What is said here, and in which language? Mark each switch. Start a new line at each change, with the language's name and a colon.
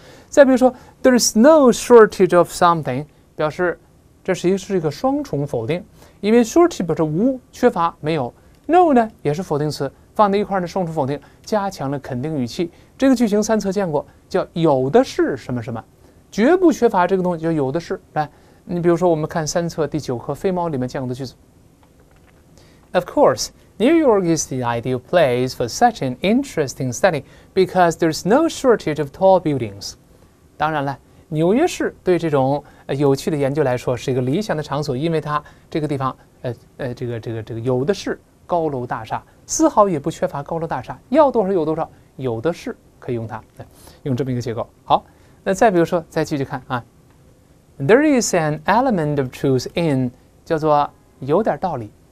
Chinese: 再比如说 ，
English: There is no shortage of something，
Chinese: 表示这实际是一个双重否定，因为 shortage 表示无、缺乏、没有 ，no 呢也是否定词，放在一块儿呢双重否定，加强了肯定语气。这个句型三册见过，叫有的是什么什么，绝不缺乏这个东西，叫有的是。你比如说我们看三册第九课飞猫里面见过的句子。
English: Of course, New York is the ideal place for such an interesting study because there's no shortage of tall buildings.
Chinese: 当然了，纽约市对这种有趣的研究来说是一个理想的场所，因为它这个地方这个有的是高楼大厦，丝毫也不缺乏高楼大厦，要多少有多少，有的是可以用它，用这么一个结构。好，那再比如说再继续看啊，
English: There is an element of truth in，
Chinese: 叫做有点道理。